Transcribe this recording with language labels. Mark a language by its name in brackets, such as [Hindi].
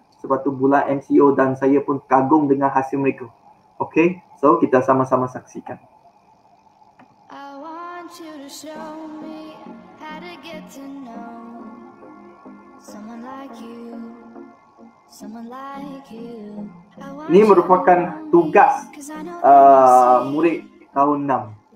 [Malay] Sewaktu bulan MCO dan saya pun kagum dengan hasil mereka. [English] Okay, so [Malay] kita sama-sama saksikan. [English] I want you to show me how to get to know someone like you, someone like you. [Malay] Ini merupakan tugas murid tahun 6.